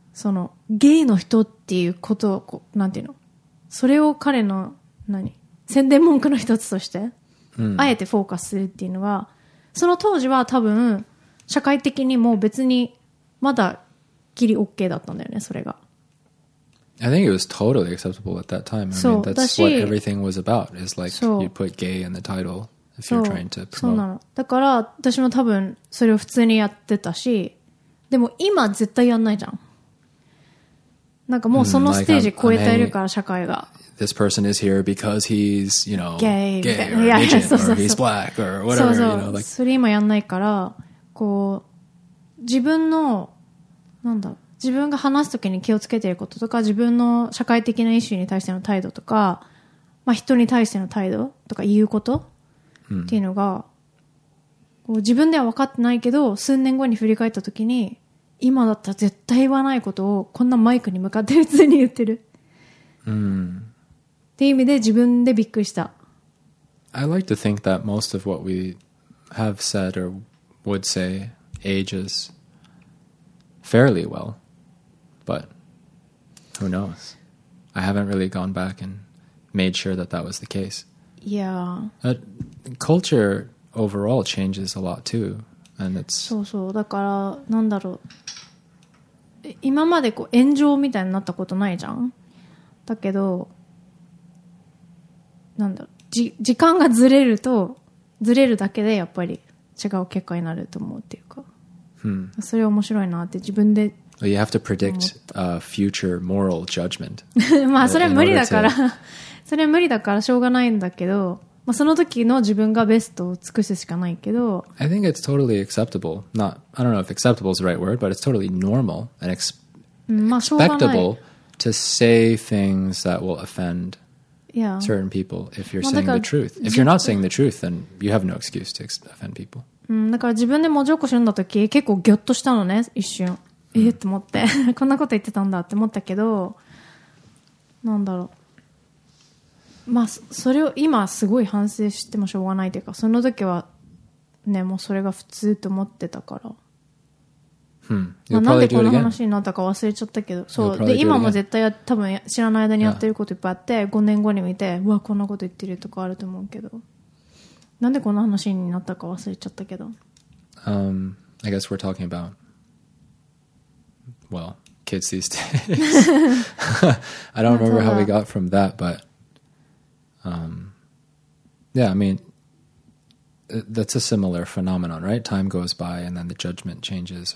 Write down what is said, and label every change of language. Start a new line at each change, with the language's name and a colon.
Japanese: そのゲイの人っていうことをこうなんていうのそれを彼の何宣伝文句の一つとして、うん、あえてフォーカスするっていうのはその当時は多分社会的にもう別にまだギリ OK だったんだよね、それが。
English: I think it was totally acceptable at that time. I mean, that's what everything was about. It's like you put gay in the title if you're trying to promote.
Japanese: そうなの。だから私も多分それを普通にやってたし、でも今絶対やんないじゃん。なんかもうそのステージ超えてるから社会が。
English: This person is here because he's, you know, gay or Asian or he's black or whatever.
Japanese: そうそう。
English: You know, like,
Japanese: それ今やんないから、こう自分のなんだ自分が話すときに気をつけていることとか自分の社会的なイシューに対しての態度とか、まあ、人に対しての態度とか言うこと、うん、っていうのがこう自分では分かってないけど数年後に振り返ったときに今だったら絶対言わないことをこんなマイクに向かって普通に言ってる、うん、っていう意味で自分でびっくりした
English: I like to think that most of what we have said or would say ages fairly well, but who knows? I haven't really gone back and made sure that that was the case. Yeah. But culture overall changes a lot too, and it's...
Japanese: そうそう、だから、なんだろう。今までこう炎上みたいになったことないじゃん。だけど、なんだろう。時間がずれると、ずれるだけでやっぱり違う結果になると思うっていうか。 Hmm. それ面白いなって自分で。
English: You have to predict a future moral judgment.
Japanese: まあそれは無理だから、それは無理だからしょうがないんだけど、まあその時の自分がベストを尽くすしかないけど。
English: I think it's totally acceptable. Not, I don't know if acceptable is the right word, but it's totally normal and expectable to say things that will offend certain people if you're saying the truth. If you're not saying the truth, then you have no excuse to offend people.
Japanese: うん、だから自分で文字起こし読んだ時結構ギョッとしたのね一瞬えっと思ってこんなこと言ってたんだって思ったけどなんだろうまあそれを今すごい反省してもしょうがないというかその時はねもうそれが普通と思ってたからまあ、なんでこの話になったか忘れちゃったけど、そうで今も絶対多分知らない間にやってることいっぱいあって、yeah. 5年後に見てうわこんなこと言ってるとかあると思うけど、なんでこの話になったか忘れちゃったけど、
English: I guess we're talking about well kids these days. I don't remember how we got from that, but yeah, I mean. That's a similar phenomenon, right? Time goes by and then the judgment changes.